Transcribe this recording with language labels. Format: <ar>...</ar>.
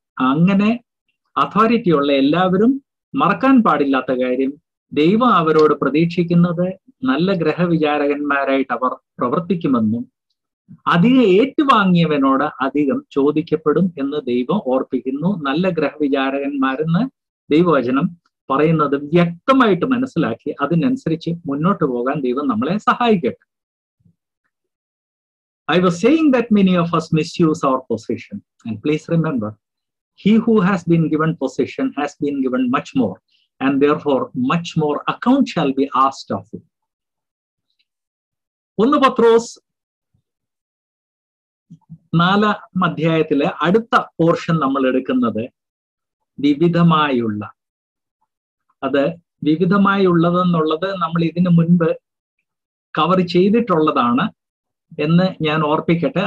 <ml>അങ്ങനെ അതോറിറ്റി ഉള്ള എല്ലാവരും മറക്കാൻ പാടില്ലാത്ത കാര്യം, ദൈവം അവരോട് പ്രതീക്ഷിക്കുന്നത് നല്ല ഗ്രഹവിചാരകന്മാരായിട്ട് അവർ പ്രവർത്തിക്കുമെന്നും അധികം ഏറ്റുവാങ്ങിയവനോട് അധികം ചോദിക്കപ്പെടും എന്ന് ദൈവം ഓർപ്പിക്കുന്നു. നല്ല ഗ്രഹവിചാരകന്മാരെന്ന് ദൈവവചനം പറയുന്നത് വ്യക്തമായിട്ട് മനസ്സിലാക്കി അതിനനുസരിച്ച് മുന്നോട്ട് പോകാൻ ദൈവം നമ്മളെ സഹായിക്കട്ടെ.</ml> <en>I was saying that many of us misuse our position. And please remember, he who has been given position has been given much more. And therefore, much more account shall be asked of him.</en> <ml>ഒന്ന് പത്രോസ് 4 അധ്യായത്തിലെ അടുത്ത portion നമ്മൾ എടുക്കുന്നത് വിവിധമായുള്ള, അത് വിവിധമായുള്ളതെന്നുള്ളത് നമ്മൾ ഇതിന് മുൻപ് cover ചെയ്തിട്ടുള്ളതാണ് എന്ന് ഞാൻ ഓർപ്പിക്കട്ടെ.</ml>